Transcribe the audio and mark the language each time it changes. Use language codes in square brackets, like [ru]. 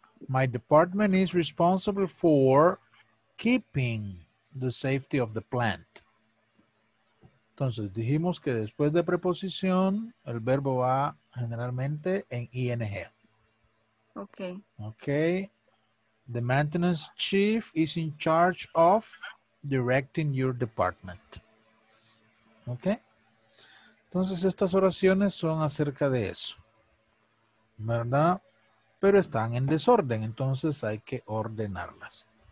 [en] My department is responsible for keeping the safety of the plant. [es] Entonces, dijimos que después de preposición, el verbo va generalmente en ing. [en] Okay. Okay. The maintenance chief is in charge of directing your department. Okay? [es] Entonces, estas oraciones son acerca de eso. ¿Verdad? pero están en desorden, entonces hay que ordenarlas.